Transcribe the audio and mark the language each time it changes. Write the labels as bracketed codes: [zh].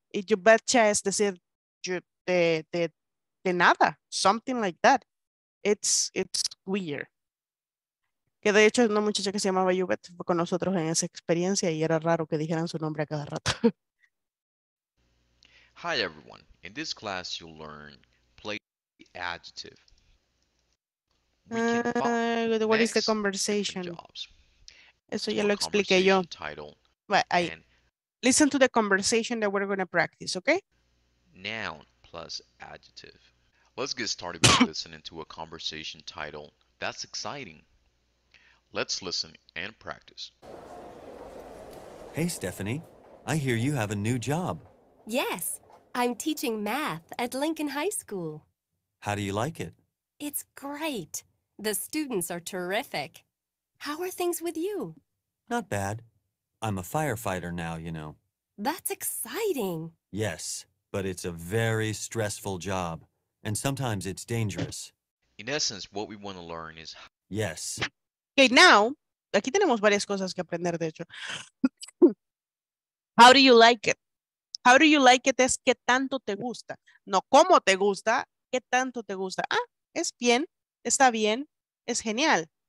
[en] Y you betcha [es] es decir, [en] you, [es] de nada. [en] Something like that. It's weird. [es] Que de hecho una muchacha que se llamaba Yubet fue con nosotros en esa experiencia y era raro que dijeran su nombre a cada rato. [en] Hi everyone. In this class you'll learn play the adjective. What is the conversation? [es] Eso ya lo expliqué yo. [en] Title, but listen to the conversation that we're going to practice, okay? Noun plus adjective. Let's get started with listening to a conversation title. That's exciting. Let's listen and practice. Hey, Stephanie. I hear you have a new job. Yes. I'm teaching math at Lincoln High School. How do you like it? It's great. The students are terrific. How are things with you? Not bad. I'm a firefighter now, you know. That's exciting. Yes, but it's a very stressful job, and sometimes it's dangerous. In essence, what we want to learn is... Yes. Okay, now, [es] aquí tenemos varias cosas que aprender, de hecho. [en] How do you like it? How do you like it [es] es qué tanto te gusta. No, cómo te gusta, qué tanto te gusta. Ah, es bien, está bien, es genial.